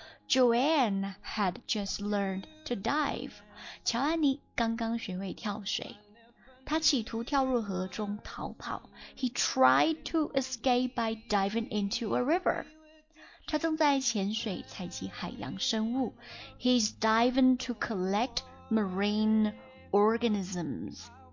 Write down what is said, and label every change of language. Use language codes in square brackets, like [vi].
[en] Joanne had just learned to dive. [zh] 乔安妮刚刚学会跳水。他企图跳入河中逃跑。 [en] He tried to escape by diving into a river. [zh] 他正在潜水采集海洋生物。 [en] He's diving to collect marine organisms.